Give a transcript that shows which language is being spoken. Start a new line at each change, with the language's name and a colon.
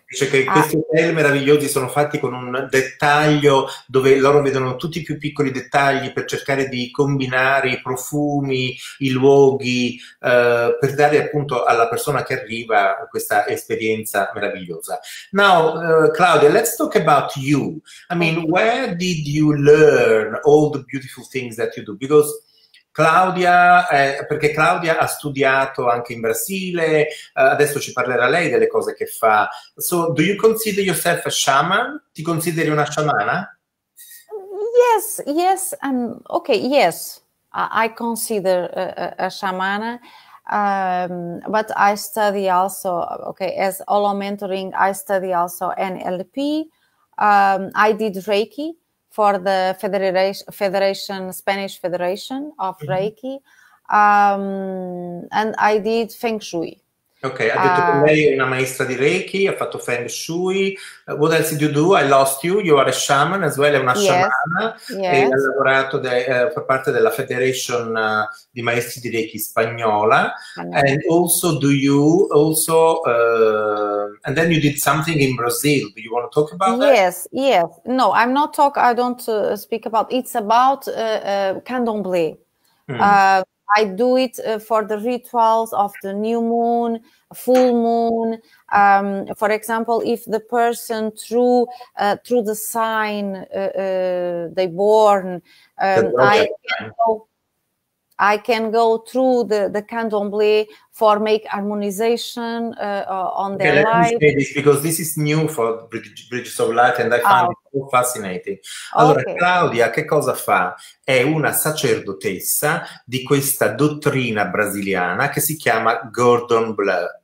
Italian: Dice che questi hotel meravigliosi sono fatti con un dettaglio dove loro vedono tutti i più piccoli dettagli per cercare di combinare i profumi, i luoghi, per dare appunto alla persona che arriva questa esperienza meravigliosa.
English: Now, Claudia, let's talk about you. I mean, where did you learn all the beautiful things that you do?
Italian: Because Claudia, perché Claudia ha studiato anche in Brasile, adesso ci parlerà lei delle cose che fa.
English: So, do you consider yourself a shaman?
Italian: Ti consideri una sciamana?
English: Yes, yes, okay, yes, I consider a sciamana, but I study also, okay, as holo mentoring, I study also NLP, I did Reiki, for the Spanish Federation of mm-hmm. Reiki, and I did Feng Shui.
Italian: Okay, ha detto che lei è una maestra di Reiki, ha fatto Feng Shui.
English: What else did you do? I lost you. You are a shaman as well,
Italian: è una sciamana.
English: Yes.
Italian: E ha lavorato per parte della Federation di Maestri di Reiki Spagnola.
English: And also do you, also, and then you did something in Brazil. Do you want to talk about that? Yes, yes. No, I'm not talk, I don't speak about, it's about candomblé. Mm. I do it for the rituals of the new moon, full moon. For example, if the person through the sign they born, I can go through the candomblé for make harmonization on their okay, life. Let me say this because this is new for Bridges of Light and I find it so fascinating.
Italian: Allora,
English: okay.
Italian: Claudia, che cosa fa? È una sacerdotessa di questa dottrina brasiliana che si chiama Cordon Bleu.